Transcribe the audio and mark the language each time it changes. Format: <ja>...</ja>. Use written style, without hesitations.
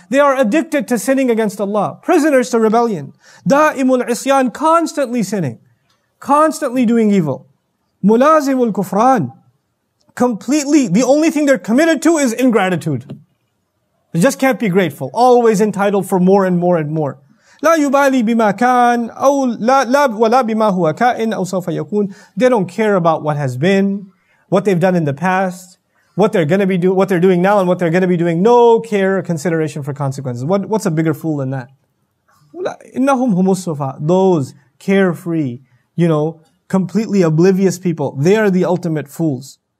<en>They are addicted to sinning against Allah. Prisoners to rebellion.</en> <ar>دَائِمُ الْعِصْيَانِ,</ar> <en>constantly sinning. Constantly doing evil.</en> <ar>مُلَازِمُ الْكُفْرَانِ,</ar> <en>completely, the only thing they're committed to is ingratitude. They just can't be grateful. Always entitled for more and more and more.</en> <ar>لا يبالي بما كان أو لا ولا بما هو كائن أو سوف يكون.</ar> <en>They don't care about what has been, what they've done in the past, what they're gonna be doing, what they're doing now, and what they're gonna be doing. No care or consideration for consequences. What's a bigger fool than that?</en> <ar>إنهم هم السفهاء,</ar> <en>those carefree, you know, completely oblivious people. They are the ultimate fools.</en>